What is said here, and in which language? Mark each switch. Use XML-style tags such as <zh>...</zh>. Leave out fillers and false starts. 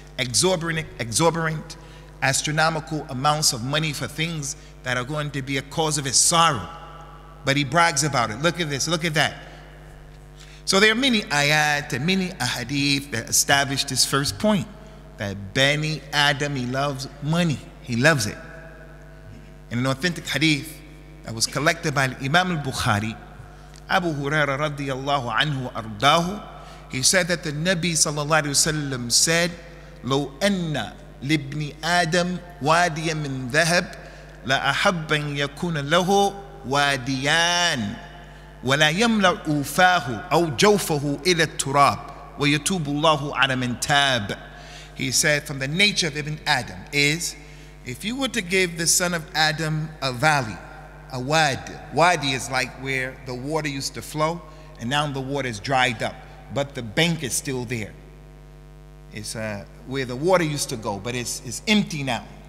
<en>Exorbitant, astronomical amounts of money for things that are going to be a cause of his sorrow. But he brags about it. Look at this, look at that. So there are many ayat and many ahadith that establish this first point, that Bani Adam, he loves money. He loves it. In an authentic hadith, that was collected by Imam al-Bukhari, Abu Huraira radiallahu anhu ardahu, he said that the Nabi sallallahu alayhi wa sallam said,</en> <ar>لو أن لابن آدم واديا من ذهب لا أحب أن يكون له واديان ولا يملأ أوفاه أو جوفه إلى التراب ويتوب الله على من تاب.</ar> <en>He said, from the nature of Ibn Adam is, if you were to give the son of Adam a valley, a wadi. Wadi is like where the water used to flow, and now the water is dried up, but the bank is still there. It's where the water used to go, but it's empty now.</en>